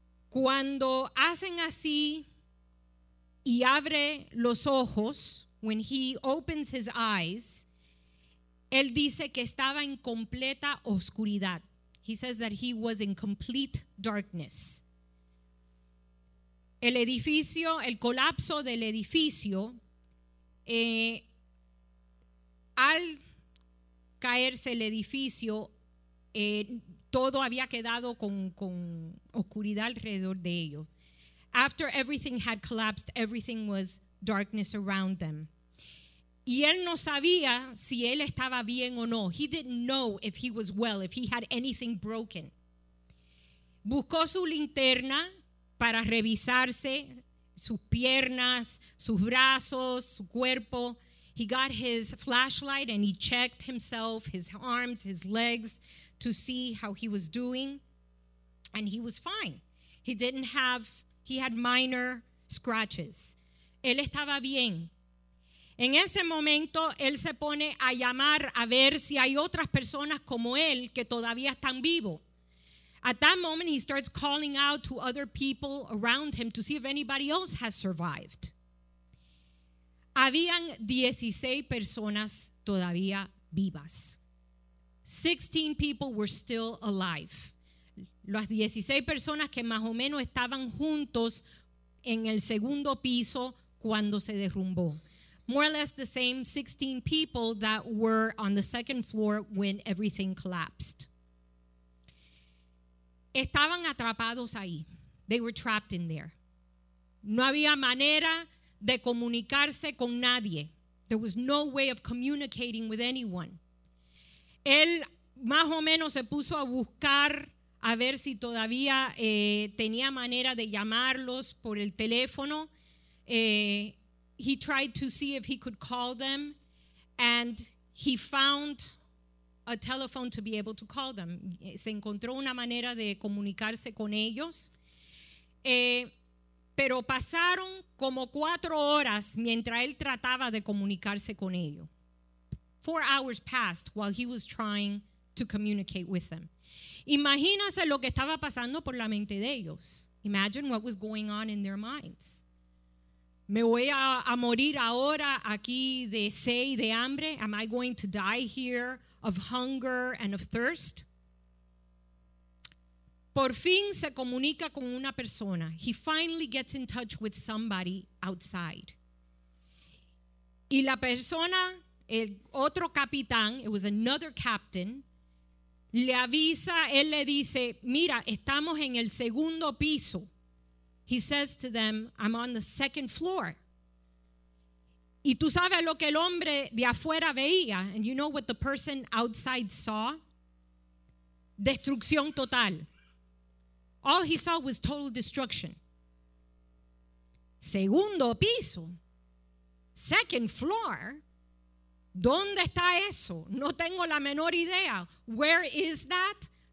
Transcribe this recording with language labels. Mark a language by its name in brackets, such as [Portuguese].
[Spanish] Cuando hacen así y abre los ojos, [English] when he opens his eyes, [Spanish] él dice que estaba en completa oscuridad. [English] He says that he was in complete darkness. [Spanish] El edificio, el colapso del edificio, al caerse el edificio, todo había quedado con oscuridad alrededor de ellos. [English] After everything had collapsed, everything was darkness around them. [Spanish] Y él no sabía si él estaba bien o no. [English] He didn't know if he was well, if he had anything broken. [Spanish] Buscó su linterna para revisarse, sus piernas, sus brazos, su cuerpo. [English] He got his flashlight and he checked himself, his arms, his legs, to see how he was doing. And he was fine. He had minor scratches. [Spanish] Él estaba bien. En ese momento, él se pone a llamar a ver si hay otras personas como él que todavía están vivos. [English] At that moment, he starts calling out to other people around him to see if anybody else has survived. [Spanish] Habían 16 personas todavía vivas. [English] 16 people were still alive. [Spanish] Las 16 personas que más o menos estaban juntos en el segundo piso cuando se derrumbó. [English] More or less the same 16 people that were on the second floor when everything collapsed. [Spanish] Estaban atrapados ahí. [English] They were trapped in there. [Spanish] No había manera de comunicarse con nadie. [English] There was no way of communicating with anyone. [Spanish] Él más o menos se puso a buscar a ver si todavía tenía manera de llamarlos por el teléfono. [English] He tried to see if he could call them, and he found a telephone to be able to call them. [Spanish] Se encontró una manera de comunicarse con ellos. Pero pasaron como 4 horas mientras él trataba de comunicarse con ellos. [English] 4 hours passed while he was trying to communicate with them. [Spanish] Imagínense lo que estaba pasando por la mente de ellos. [English] Imagine what was going on in their minds. [Spanish] ¿Me voy a morir ahora aquí de sed y de hambre? [English] Am I going to die here of hunger and of thirst? [Spanish] Por fin se comunica con una persona. [English] He finally gets in touch with somebody outside. [Spanish] Y la persona el otro capitán, [English] it was another captain, [Spanish] le avisa, él le dice, mira, estamos en el segundo piso. [English] He says to them, I'm on the second floor. [Spanish] Y tú sabes lo que el hombre de afuera veía. [English] And you know what the person outside saw? [Spanish] Destrucción total. [English] All he saw was total destruction. [Spanish] Segundo piso. [English] Second floor. [Spanish] ¿Dónde está eso? No tengo la menor idea. [English] Where is that?